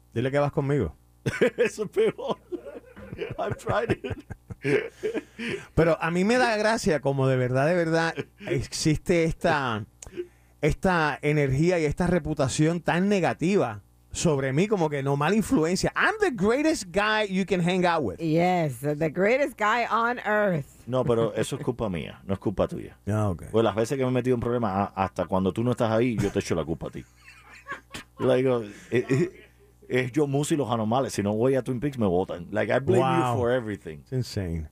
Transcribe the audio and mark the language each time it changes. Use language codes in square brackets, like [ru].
[es] Dile que vas conmigo. Eso es peor. [en] I've tried it. [es] Pero a mí me da gracia como de verdad existe esta energía y esta reputación tan negativa sobre mí, como que no, mala influencia. [en] I'm the greatest guy you can hang out with. Yes, the greatest guy on earth. [es] No, pero eso es culpa mía, no es culpa tuya. [en] Okay. [es] Pues las veces que me he metido en problemas, hasta cuando tú no estás ahí, yo te echo la culpa a ti. Like, es yo, Musi, los anormales. Si no voy a Twin Peaks, me votan. [en] Like, I blame you for everything. It's insane.